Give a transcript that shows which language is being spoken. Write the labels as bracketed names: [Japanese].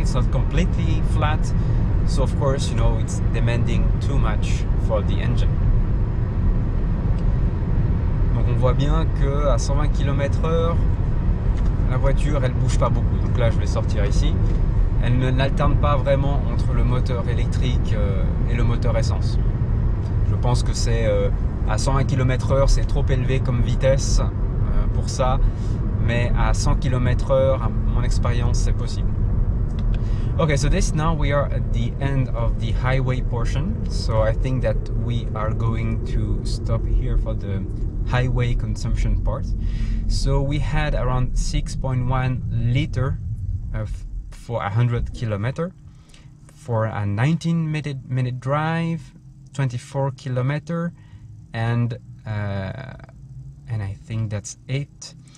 [English] It's not completely flat, so of course, you know, it's demanding too much for the engine. [French] Donc on voit bien que à 120 km/h, la voiture elle bouge pas beaucoup. Donc là je vais sortir ici, elle ne l'alterne pas vraiment entre le moteur électrique et le moteur essence. Je pense que c'est à 120 km/h, c'est trop élevé comme vitesse pour ça. Mais à 100 km/h, mon expérience, c'est possible. [English] Okay, so this now we are at the end of the highway portion. So I think that we are going to stop here for the highway consumption part. So we had around 6.1 liter for 100 km for a 19-minute drive, 24 km, and I think that's it.